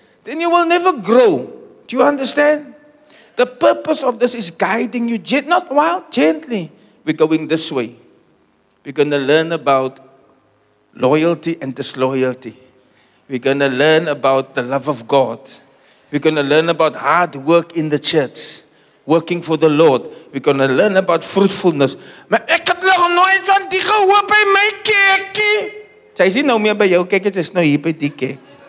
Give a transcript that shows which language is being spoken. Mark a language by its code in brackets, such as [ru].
[en] Then you will never grow. Do you understand? The purpose of this is guiding you, not wild, gently. We're going this way. We're going to learn about loyalty and disloyalty. We're going to learn about the love of God. We're going to learn about hard work in the church, working for the Lord. We're going to learn about fruitfulness. [af] Maar ek het nog nooit van die gehoor by my kerkie. Sy is nie nou meer by jou kerkie, sy is nou hier by die kerk.